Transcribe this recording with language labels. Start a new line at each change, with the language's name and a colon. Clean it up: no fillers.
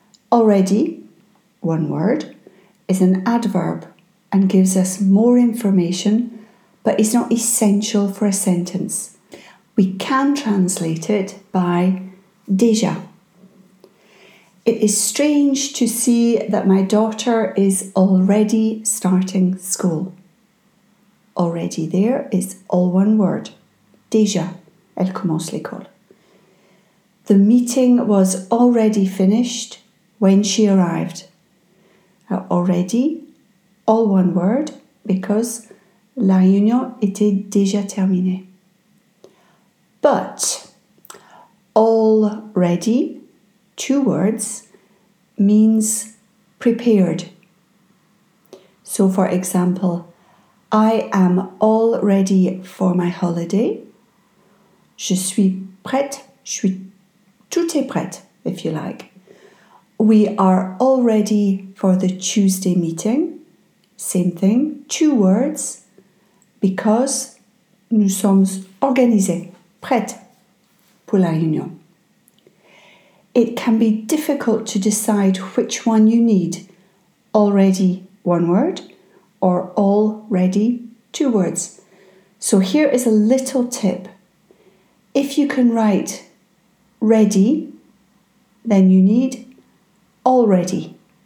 English: Already, one word, is an adverb and gives us more information, but it's not essential for a sentence. We can translate it by déjà. It is strange to see that my daughter is already starting school. Already there is all one word.
French: Déjà, elle commence l'école.
English: The meeting was already finished when she arrived. Already, all one word, because
French: la réunion était déjà terminée.
English: But already, two words, means prepared. So for example, I am all ready for my holiday.
French: Je suis prête. Je suis tout est prête,
English: if you like. We are all ready for the Tuesday meeting. Same thing, two words, because
French: nous sommes organisés, prêts pour la réunion.
English: It can be difficult to decide which one you need. Already, one word, or already, two words. So here is a little tip. If you can write ready, then you need already.